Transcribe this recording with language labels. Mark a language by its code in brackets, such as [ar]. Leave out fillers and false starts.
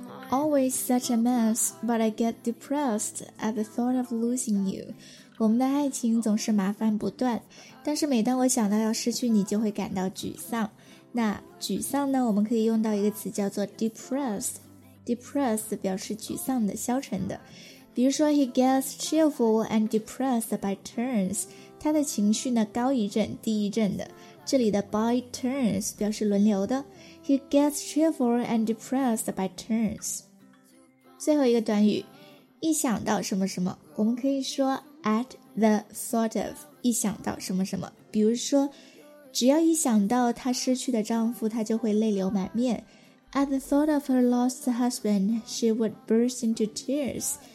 [en] always such a mess, but I get depressed at the thought of losing you. [zh] 我们的爱情总是麻烦不断，但是每当我想到要失去你，就会感到沮丧。那沮丧呢，我们可以用到一个词叫做 depressed。 Depressed 表示沮丧的，消沉的。比如说 [en] he gets cheerful and depressed by turns， [zh] 他的情绪呢高一阵低一阵的，这里的 [en] by turns [zh] 表示轮流的。 [en] He gets cheerful and depressed by turns。 [zh] 最后一个短语，一想到什么什么，我们可以说 [en] at the thought of， [zh] 一想到什么什么。比如说只要一想到他失去的丈夫，他就会泪流满面。 [en] At the thought of her lost husband, she would burst into tears。